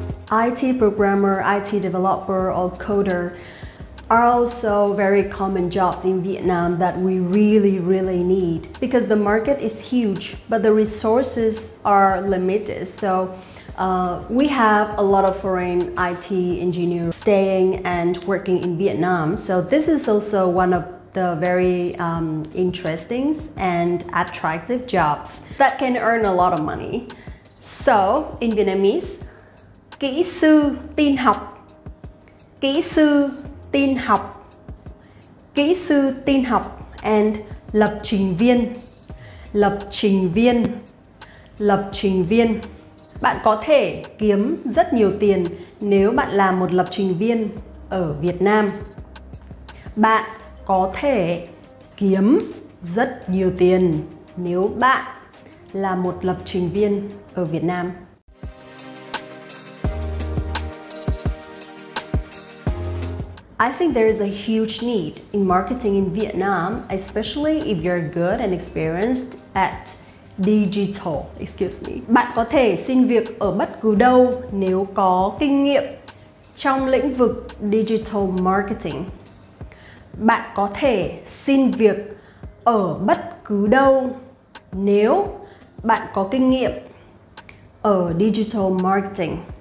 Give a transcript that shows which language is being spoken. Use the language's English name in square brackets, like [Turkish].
[English] IT programmer, IT developer, or coder are also very common jobs in Vietnam that we really, really need because the market is huge, but the resources are limited. So we have a lot of foreign IT engineers staying and working in Vietnam. So this is also one of the very interesting and attractive jobs that can earn a lot of money. So in Vietnamese, [Vietnamese] kỹ sư tin học, [English] kỹ sư tin học, kỹ sư tin học, and [Vietnamese] lập trình viên, lập trình viên, lập trình viên. Bạn có thể kiếm rất nhiều tiền nếu bạn là một lập trình viên ở Việt Nam. Bạn có thể kiếm rất nhiều tiền nếu bạn là một lập trình viên ở Việt Nam. [English] I think there is a huge need in marketing in Vietnam, especially if you're good and experienced at digital. Excuse me. [Vietnamese] Bạn có thể xin việc ở bất cứ đâu nếu có kinh nghiệm trong lĩnh vực digital marketing. Bạn có thể xin việc ở bất cứ đâu nếu bạn có kinh nghiệm ở digital marketing.